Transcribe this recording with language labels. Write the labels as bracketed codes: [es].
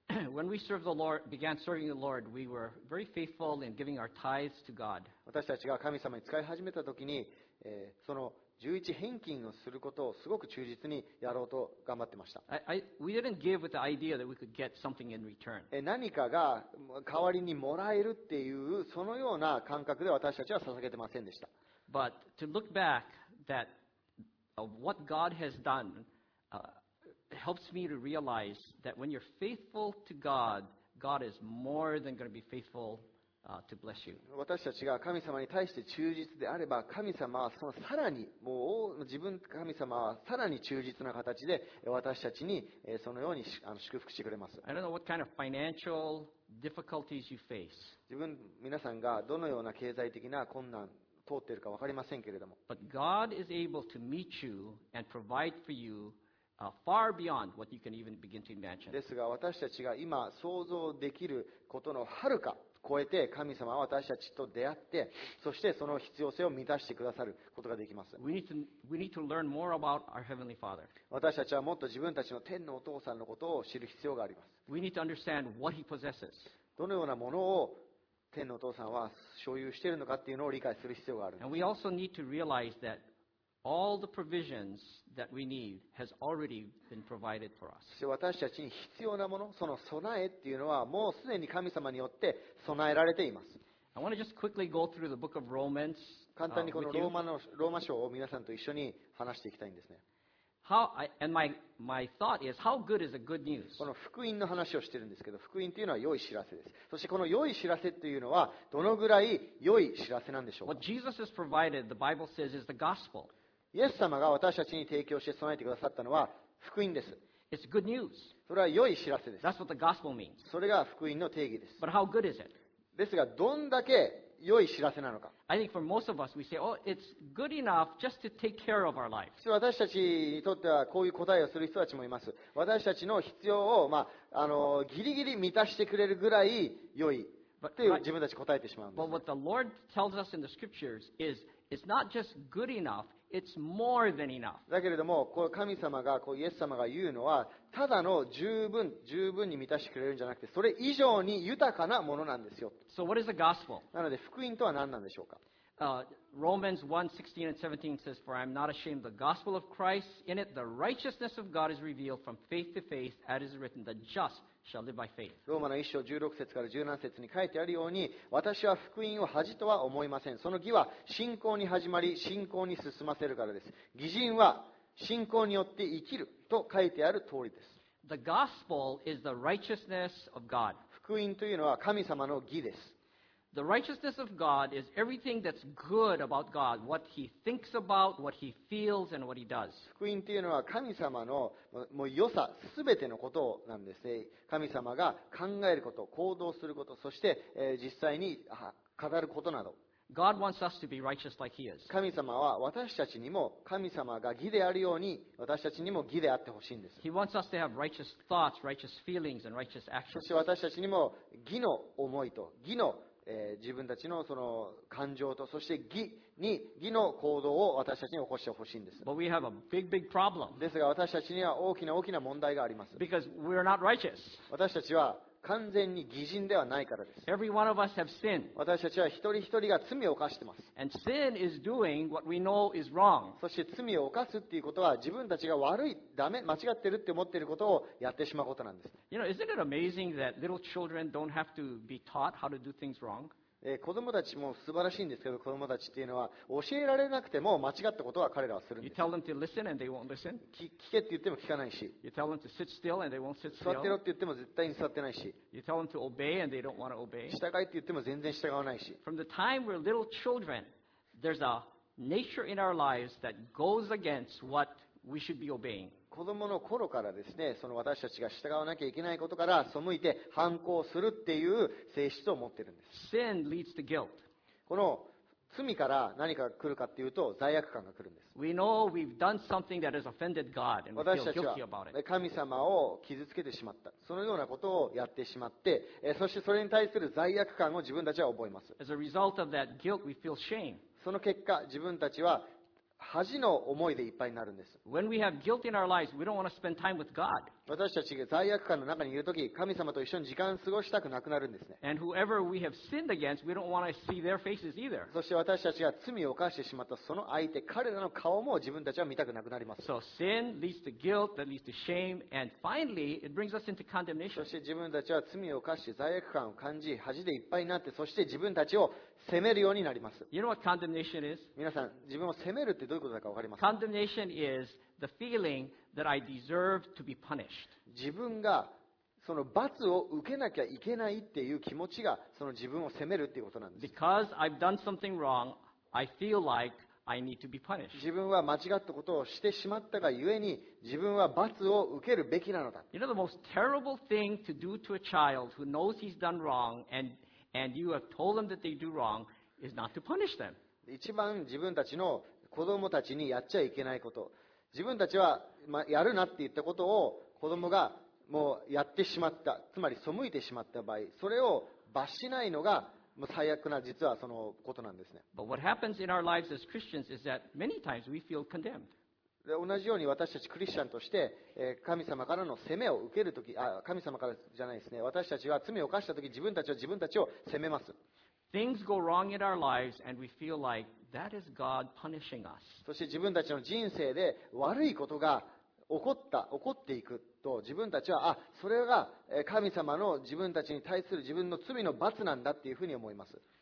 [en] When we served the Lord, began serving the Lord, we were very faithful in giving our tithes to God. [ja] 私たちが神様に使い始めた時に、その11返金をすることをすごく忠実にやろうと頑張ってました。 [en] We didn't give with the idea that we could get something in return. [ja] 何かが代わりにもらえるっていうそのような感覚で私たちは捧げてませんでした。 [en] But to look back, that what God has done, helps me to realize that when you're faithful to God, God is more than going to be faithful to bless you. [ja] 私たちが神様に対して忠実であれば、神様はそのさらにもう自分神様はさらに忠実な形で私たちにそのように祝福してくれます。 [en] I don't know what kind of financial difficulties you face. [ja] 自分皆さんがどのような経済的な困難通っているか分かりませんけれども。 [en] But God is able to meet you and provide for you. Far beyond what you can even begin to imagine. [ja] ですが私たちが今想像できることのはるか超えて神様は私たちと出会ってそしてその必要性を満たしてくださることができます。 [en] We need to learn more about our Heavenly Father. [ja] 私たちはもっと自分たちの天のお父さんのことを知る必要があります。 [en] We need to understand what He possesses. [ja] どのようなものを天のお父さんは所有しているのかっていうのを理解する必要があるんです。 [en] And we also need to realize that. All the provisions that we need has already been provided for us. [ja] 私たちに必要なもの、その備えっていうのはもうすでに神様によって備えられています。 [en] I want to just quickly go through the book of Romans. [ja] 簡単にこのローマ書を皆さんと一緒に話していきたいんですね。この福音の話をしているんですけど、福音というのは良い知らせです。そしてこの良い知らせというのはどのぐらい良い知らせなんでしょうか。 [en] What Jesus has provided, the Bible says, is the gospel. [ja] イエス様が私たちに提供して備えてくださったのは福音です。 [en] It's good news. [ja] それは良い知らせです。 [en] That's what the gospel means. [ja] それが福音の定義です。 [en] But how good is it? [ja] ですが、どんだけ良い知らせなのか。 [en] I think for most of us, we say, oh, it's good enough just to take care of our life. [ja] 私たちにとってはこういう答えをする人たちもいます。私たちの必要を、まあ、ギリギリ満たしてくれるぐらい良いって自分たち答えてしまうんです。 [en] But what the Lord tells us in the scriptures is, it's not just good enough. It's more than enough. [ja] だけれども、こう神様がこうイエス様が言うのは、ただの十分に満たしてくれるんじゃなくて、それ以上に豊かなものなんですよ。 [en] So what is the gospel? [ja] なので福音とは何なんでしょうか。 [en] Romans 1:16 and 17 says, "For I am not ashamed of the gospel of Christ. In it, the righteousness of God is revealed from faith to faith, as is written, the just shall live by faith." [ja] ローマの1章16節から17節に書いてあるように、私は福音を恥とは思いません。その義は信仰に始まり、信仰に進ませるからです。義人は信仰によって生きると書いてある通りです。 [en] The gospel is the righteousness of God. [ja] 福音というのは神様の義です。 [en] The righteousness of God is everything that's good about God, what He thinks about, what He feels, and what He does. [ja] 福音というのは神様のもう良さ、すべてのことなんですね。神様が考えること、行動すること、そして実際に語ることなど。 [en] God wants us to be righteous like He is. [ja] 神様は私たちにも、神様が義であるように、私たちにも義であってほしいんです。 [en] He wants us to have righteous thoughts, righteous feelings, and righteous actions. [ja] そして私たちにも義の思いと、義の自分たち の, その感情とそして 義の行動を私たちに起こしてほしいんです。 [en] But we have a big, big problem. [ja] ですが私たちには大きな大きな問題があります。 [en] Because we are not righteous. [ja] 私たちは完全に義人ではないからです。 [en] Every one of us have sin. [ja] 私たちは一人一人が罪を犯しています。 [en] And sin is doing what we know is wrong. [ja] そして罪を犯すっていうことは自分たちが悪い、ダメ、間違ってるって思っていることをやってしまうことなんです。 [en] You know, isn't it amazing that little children don't have to be taught how to do things wrong? [ja] 子供たちも素晴らしいんですけど、子供たちっていうのは教えられなくても間違ったことは彼らはするんです。 [en] You tell them to listen and they won't listen. [ja] 聞けって言っても聞かないし。 [en] You tell them to sit still and they won't sit still. [ja] 座ってろって言っても絶対に座ってないし。 [en] You tell them to obey and they don't want to obey. [ja] 従いって言っても全然従わないし。 [en] From the time we're little children, there's a nature in our lives that goes against what we should be obeying. [ja] 子供の頃からですね、その私たちが従わなきゃいけないことから背いて反抗するっていう性質を持ってるんです。 [en] Sin leads to guilt. [ja] この罪から何かが来るかっていうと罪悪感が来るんです。 [en] We know we've done something that has offended God and we feel guilty about it. [ja] 私たちは神様を傷つけてしまった。そのようなことをやってしまって、そしてそれに対する罪悪感を自分たちは覚えます。 [en] As a result of that guilt, we feel shame. [ja] その結果、自分たちは恥の思いでいっぱいになるんです。 [en] When we have guilt in our lives, we don't want to spend time with God. [ja] 私たちが罪悪感の中にいるとき、神様と一緒に時間を過ごしたくなくなるんですね。 [en] And whoever we have sinned against, we don't want to see their faces either. [ja] そして私たちが罪を犯してしまったその相手、彼らの顔も自分たちは見たくなくなります。 [en] So sin leads to guilt, that leads to shame, and finally, it brings us into condemnation. [ja] そして自分たちは罪を犯して罪悪感を感じ、恥でいっぱいになって、そして自分たちを責めるようになります。 [en] You know what condemnation is? [ja] 皆さん、自分を責めるってどういうことだか分かりますか? [en] Condemnation is the feeling that I deserve to be punished. [ja] 自分がその罰を受けなきゃいけないっていう気持ちがその自分を責めるっていうことなんです。 [en] Because I've done something wrong, I feel like I need to be punished. [ja] 自分は間違ったことをしてしまったがゆえに、自分は罰を受けるべきなのだ。 [en] You know the most terrible thing to do to a child who knows he's done wrong and you have told them that they do wrong is not to punish them. [ja] 一番自分たちの子供たちにやっちゃいけないこと、自分たちは、まあ、やるなって言ったことを子供がもうやってしまった、つまり背いてしまった場合、それを罰しないのがもう最悪な実はそのことなんですね。 [en] But what happens in our lives as Christians is that many times we feel condemned. [ja] で同じように私たちクリスチャンとして、神様からの責めを受けるとき、神様からじゃないですね、私たちは罪を犯したとき、自分たちは自分たちを責めます。 [en] Things go wrong in our lives and we feel like that is God punishing us. [ja] そして自分たちの人生で悪いことが起こっていくと、自分たちは、あ、それが神様の自分たちに対する自分の罪の罰なんだっていうふうに思います。